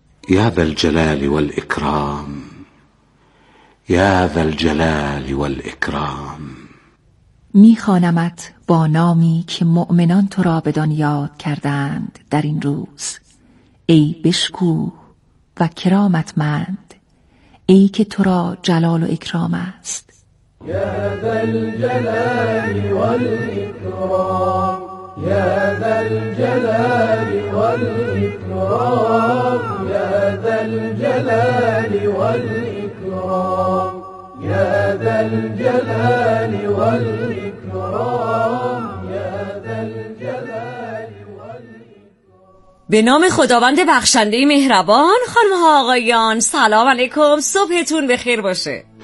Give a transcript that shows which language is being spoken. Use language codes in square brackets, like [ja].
[ar] یا ذا الجلال والاکرام، یا ذا الجلال والاکرام. [fa] می خوانمت با نامی که مؤمنان تو را بدان یاد کردند در این روز، ای بشکو و کرامت مند، ای که تو را جلال و اکرام است. [ar] یا ذا الجلال والاکرام، یا ذا الجلال والاکرام، یا ذا الجلال والاکرام، یا ذا الجلال والاکرام، یا ذا الجلال. [fa] به نام خداوند بخشنده مهربان. خانم ها آقایان سلام علیکم، صبحتون بخیر باشه.